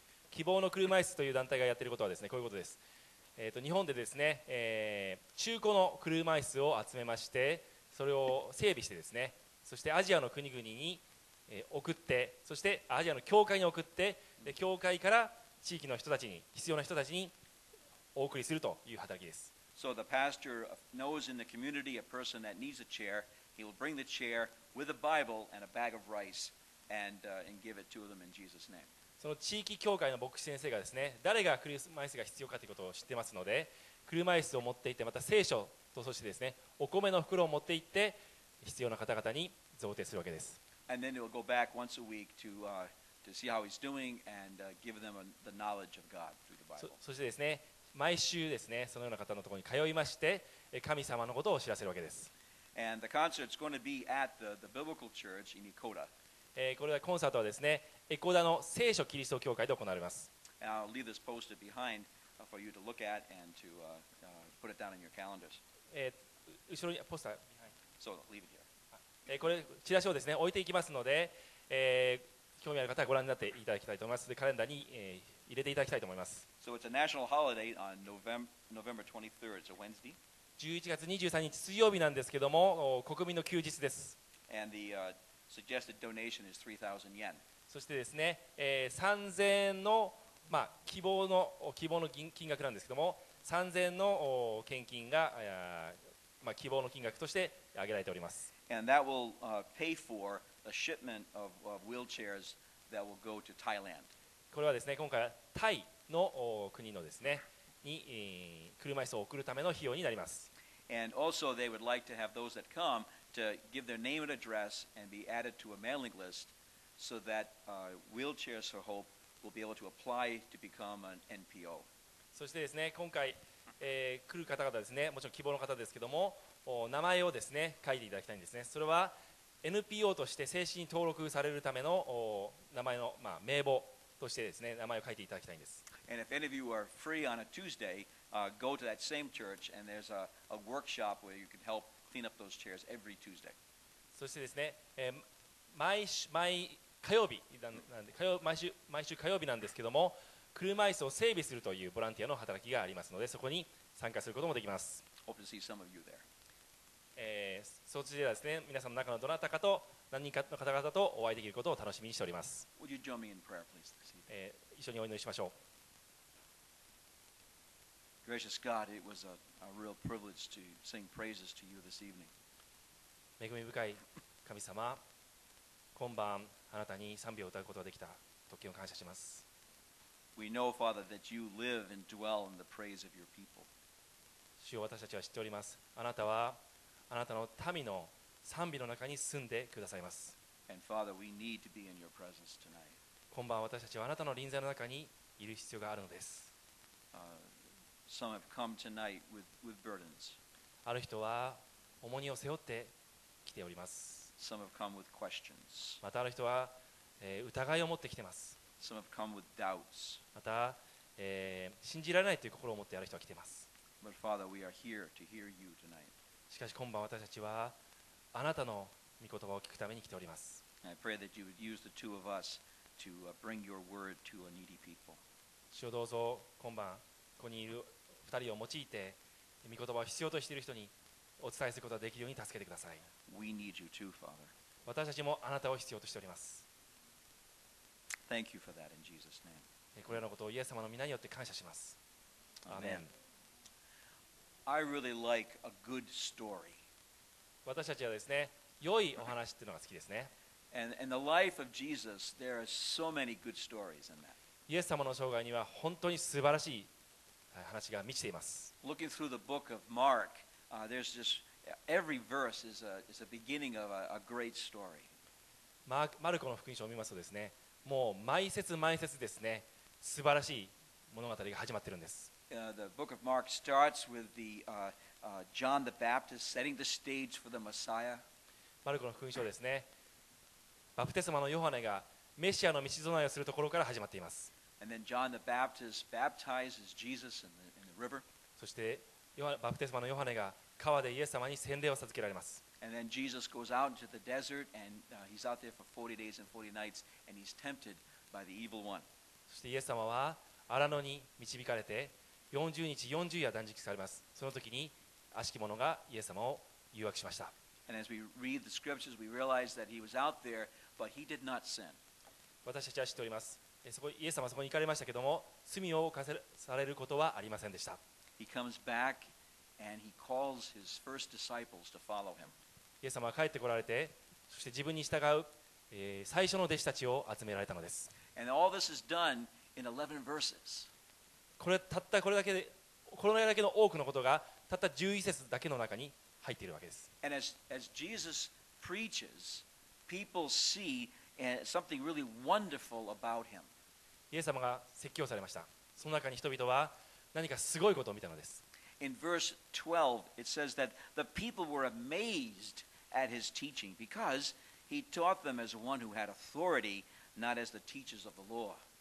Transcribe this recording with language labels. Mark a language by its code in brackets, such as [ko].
[ja] 希望の車椅子という団体がやっていることはですね、こういうことです。日本でですね、中古の車椅子を集めまして、それを整備してですね、そしてアジアの国々に送って、そしてアジアの教会に送って、で教会から地域の人たちに、必要な人たちにお送りするという働きです。 [en] So the pastor knows in the community a person that needs a chair. He will bring the chair with a Bible and a bag of rice and give it to them in Jesus' name. [ja] その地域教会の牧師先生がですね、誰が車椅子が必要かということを知ってますので、車椅子を持って行って、また聖書とそしてですね、お米の袋を持って行って必要な方々に贈呈するわけです。 [en] And then he'll go back once a week to see how he's doing and give them the knowledge of God through the Bible. [ja] そしてですね。毎週ですね、そのような方のところに通いまして、神様のことを知らせるわけです。 [en] And the concert's going to be at the biblical church in Ecoda. [ja] これはコンサートはですね、エコダの聖書キリスト教会で行われます。 [en] And I'll leave this posted behind for you to look at and to put it down in your calendars. [ja] 後ろにポスター。 [en] So leave it here. [ja] これチラシをですね、置いていきますので、興味ある方はご覧になっていただきたいと思います。でカレンダーに、入れていただきたいと思います。 [en] So it's a national holiday on November 23rd. It's a Wednesday. [ja] 11月23日水曜日なんですけども、国民の休日です。 [en] And the suggested donation is 3,000 yen. [ja] そしてですね、3,000 円の、まあ、希望の金額なんですけども、3,000 円の献金が、まあ、希望の金額として挙げられております。 [en] And that will pay for a shipment of wheelchairs that will go to Thailand. [ja] これはですね、今回タイの国のですね、に車椅子を送るための費用になります。 [en] And also they would like to have those that come to give their name and address and be added to a mailing list so that Wheelchairs for Hope will be able to apply to become an NPO. [ja] そしてですね、今回、来る方々ですね、もちろん希望の方ですけども、名前をですね、書いていただきたいんですね。それは NPO として正式に登録されるための名前の、まあ、名簿。そしてですね、名前を書いていただきたいんです。 [en] And if any of you are free on a Tuesday, go to that same church and there's a workshop where you can help clean up those chairs every Tuesday. [ja] そしてですね、毎火曜日なんで、毎週火曜日なんですけども、車椅子を整備するというボランティアの働きがありますので、そこに参加することもできます。 [en] Hope to see some of you there. [ja] そちらですね、皆さんの中のどなたかと、何人かの方々とお会いできることを楽しみにしております。 [en] Prayer, please, [ja] 一緒にお祈りしましょう。 [en] Gracious God, it was a real privilege to sing praises to you this evening. [ja] 恵み深い神様、今晩あなたに賛美を歌うことができた特権を感謝します。 [en] We know, Father, that you live and dwell in the praise of your people. [ja] 主を私たちは知っております。あなたはあなたの民の賛美の中に住んでくださいます。今晩私たちはあなたの臨在の中にいる必要があるのです。 [en] some have come tonight with burdens. [ja] ある人は重荷を背負って来ております。 [en] Some have come with questions. [ja] またある人は、疑いを持ってきています。 [en] Some have come with doubts. [ja] また、信じられないという心を持ってある人は来ています。 [en] But Father, we are here to hear you tonight. [ja] しかし今晩私たちはあなたの御言葉を聞くために来ております。 [en] I pray that you would use the two of us to bring your word to a needy people. [ja] 主よどうぞ今晩ここにいる二人を用いて御言葉を必要としている人にお伝えすることができるように助けてください。 [en] We need you too, Father. [ja] 私たちもあなたを必要としております。 [en] Thank you for that in Jesus' name. [ja] これらのことをイエス様の御名によって感謝します。 [en] Amen. I really like a good story. [ja] 私たちはですね、良いお話っていうのが好きですね。 [en] And the life of Jesus, there are so many good stories in that. [ja] イエス様の生涯には本当に素晴らしい話が満ちています。 [en] Looking through the book of Mark, there's just every verse is a beginning of a great story. [ja] マルコの福音書を見ますとですね、もう毎節毎節ですね、素晴らしい物語が始まっているんです。 [en] The book of Mark starts with John the Baptist setting the stage for the Messiah. [ja] マルコの福音書ですね、バプテスマのヨハネがメシアの道備えをするところから始まっています。 [en] And then John the Baptist baptizes Jesus in the river. [ja] そしてバプテスマのヨハネが川でイエス様に洗礼を授けられます。 [en] And then Jesus goes out into the desert and he's out there for 40 days and 40 nights and he's tempted by the evil one. [ja] そしてイエス様は荒野に導かれて40日40夜断食されます。その時に悪しき者がイエス様を誘惑しました。 [en] And as we read the scriptures, we realize that he was out there, but he did not sin. [ja] 私たちは知っております。そこイエス様はそこに行かれましたけども、罪を犯されることはありませんでした。 [en] He comes back and he calls his first disciples to follow him. [ja] イエス様は帰ってこられて、そして自分に従う、最初の弟子たちを集められたのです。 [en] And all this is done in 11 verses. [ja] これたったこれだけで、これだけの多くのことがたった11節だけの中に入っているわけです。 [en] And as Jesus preaches, people see something really wonderful about him. [ja] イエス様が説教されました。その中に人々は何かすごいことを見たのです。 [en] In verse 12, it says that the people were amazed at his teaching because he taught them as one who had authority, not as the teachers of the law.